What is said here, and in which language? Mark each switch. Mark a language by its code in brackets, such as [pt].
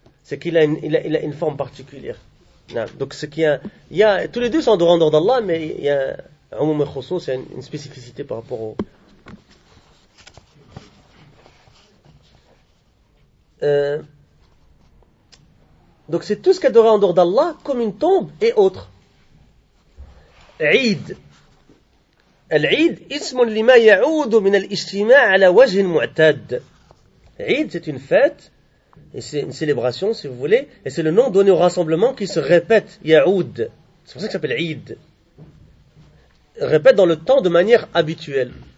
[fr] c'est qu'il a il a une forme particulière. Donc ce qui a, il y a tous les deux sont en dehors d'Allah, mais il y a umum et khusus, c'est une spécificité par rapport au. Donc c'est tout ce qu'adorer en dehors d'Allah comme une tombe et autre. [ar] Eid. العيد اسم لما يعود من الاجتماع على وجه معتاد. [fr] عيد c'est une fête et c'est une célébration si vous voulez et c'est le nom donné au rassemblement qui se répète. يعود c'est pour ça que ça s'appelle عيد. Répète dans le temps de manière habituelle.